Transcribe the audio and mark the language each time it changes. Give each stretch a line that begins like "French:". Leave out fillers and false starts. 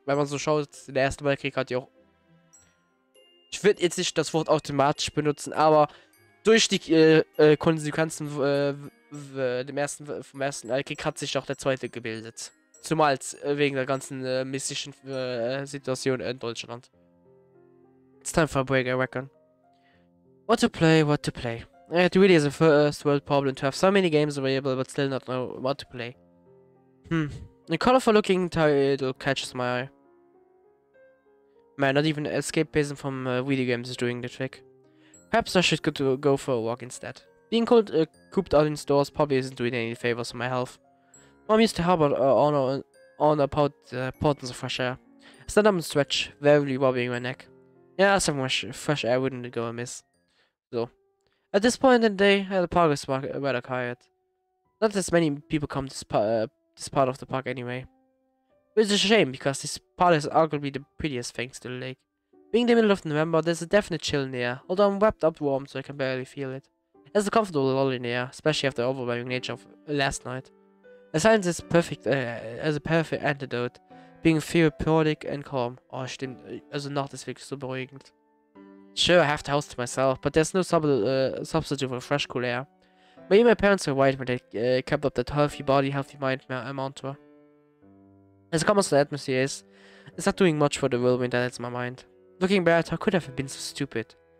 German: Wenn man so schaut, der Erste Weltkrieg hat ja auch. Ich würde jetzt nicht das Wort automatisch benutzen, aber durch die Konsequenzen vom Ersten Weltkrieg hat sich auch der Zweite gebildet. Zumal wegen der ganzen mystischen Situation in Deutschland.
English: It's time for a break, I reckon. What to play, what to play. It really is a first world problem to have so many games available but still not know what to play. A colorful looking title catches my eye. Man, not even escapism from video games is doing the trick. Perhaps I should go for a walk instead. Being cold, cooped out in stores probably isn't doing any favors for my health. Mom used to harbor on about the importance of fresh air. I stand up and stretch, verily rubbing my neck. Yeah, some fresh air wouldn't go amiss. So. At this point in the day, the park is rather quiet. Not as many people come to this part of the park anyway. Which is a shame, because this part is arguably the prettiest thanks to the lake. Being the middle of November, there's a definite chill in the air, although I'm wrapped up warm so I can barely feel it. There's a comfortable lull in the air, especially after the overwhelming nature of last night. The silence is perfect as a perfect antidote, being therapeutic and calm.
German: Oh, stimmt, also Nacht ist wirklich so beruhigend.
English: Sure, I have the house to myself, but there's no substitute for fresh, cool air. Maybe my parents were right when they kept up that healthy body, healthy mind mantra. As calm as the atmosphere is, it's not doing much for the whirlwind that hits my mind. Looking bad, how could I have been so stupid?